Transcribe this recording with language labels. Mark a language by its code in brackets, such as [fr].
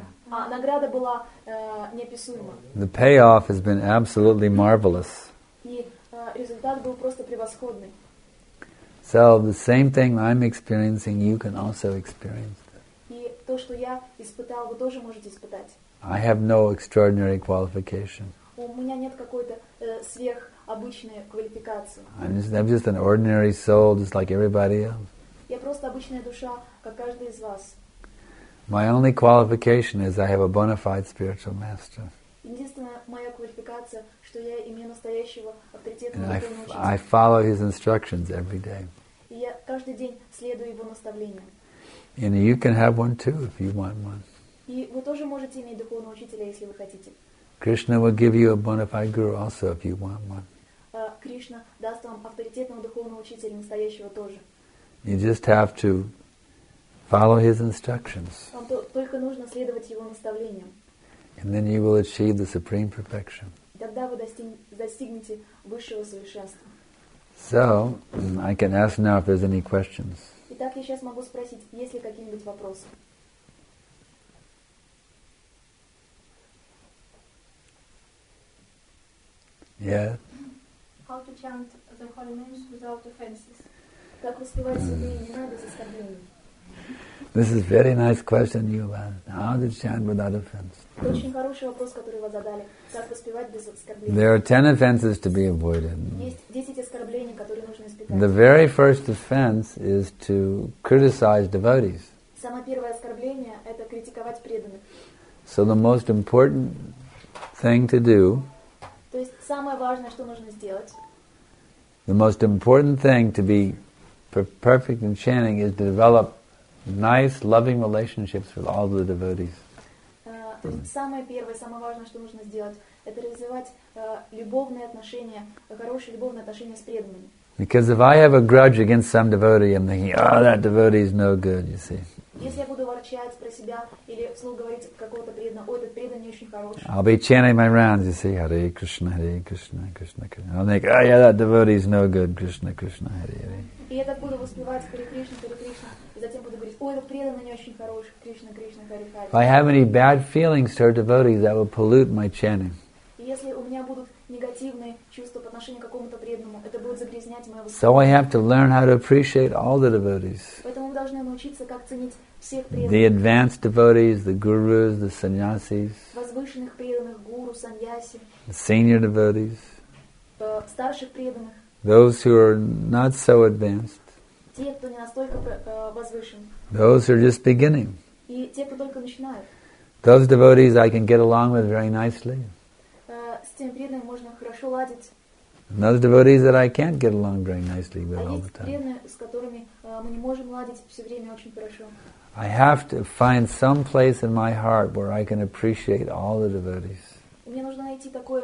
[ru] Награда была неописуема. [en] The payoff has been absolutely marvelous. [ru] Результат был просто превосходный. [en] So the same thing I'm experiencing, you can also experience. [ru] И то, что я испытал, вы тоже можете испытать. [en] I have no extraordinary qualification. [ru] У меня нет какой-то сверхобычной квалификации. [en] I'm just an ordinary soul, just like everybody else. [ru] Я просто обычная душа, как каждый из вас. [en] My only qualification is I have a bona fide spiritual master. [ru] Единственная моя квалификация, что я имею настоящего авторитетного учителя. [en] I follow his instructions every day. [ru] И я каждый день следую его наставлениям. [en] And you can have one too if you want one. [ru] И вы тоже можете иметь духовного учителя, если вы хотите. [en] Krishna will give you a bona fide guru also if you want one. [ru] Кришна даст вам авторитетного духовного учителя настоящего тоже. [en] You just have to follow his instructions. [ru] Вам только нужно следовать его наставлениям. [en] And then you will achieve the supreme perfection. [ru] Тогда вы достигнете высшего совершенства. [en] So, I can ask now if there's any questions. [ru] Итак, я сейчас могу спросить, есть ли какие-нибудь вопросы? [en] Yeah. How to chant the holy names without offenses? [ru] Как воспевать святые имена без оскорблений? [en] This is a very nice question you asked. How to chant without offense? [ru] Очень хороший вопрос, который вы задали. Как воспевать без оскорблений? [en] There are 10 offenses to be avoided. [ru] Есть 10 оскорблений, которые нужно избегать. [en] The very first offense is to criticize devotees. [ru] Самое первое оскорбление – это критиковать преданных. [en] So the most important thing to do. [ru] То есть самое важное, что нужно сделать. [en] The most important thing to be perfect in chanting is to develop nice, loving relationships with all the devotees. [ru] То есть самое первое, самое важное, что нужно сделать, это развивать любовные отношения, хорошие любовные отношения с преданными. [en] Because if I have a grudge against some devotee, I'm thinking, oh, that devotee is no good, you see. [ru] Если я буду ворчать про себя или вслух говорить какого-то преданного, ой, этот преданный не очень хороший. [en] I'll be chanting my rounds, you see, Hare Krishna, Hare Krishna, Krishna Krishna. I'll think, oh yeah, that devotee is no good, Krishna Krishna, Hare Hare. [ru] И я так буду воспевать Hare Krishna, Hare Krishna, и затем буду говорить, ой, этот преданный не очень хороший, Krishna Krishna, Hare Hare. [en] If I have any bad feelings toward devotees, that will pollute my chanting. [ru] Если у меня будут негативные чувства по отношению к какому-то преданному, это будет загрязнять мое воспитание. [en] So I have to learn how to appreciate all the devotees. [ru] Поэтому мы должны научиться, как ценить всех преданных. [en] The advanced devotees, the gurus, the sannyasis. [ru] Возвышенных преданных, гуру, саньяси. [en] Senior devotees. [ru] Старших преданных. [en] Those who are not so advanced. [ru] Те, кто не настолько возвышен. [en] Those who are just beginning. [ru] И те, кто только начинают. [en] Those devotees I can get along with very nicely. And those devotees that I can't get along very nicely with all the time. I have to find some place in my heart where I can appreciate all the devotees.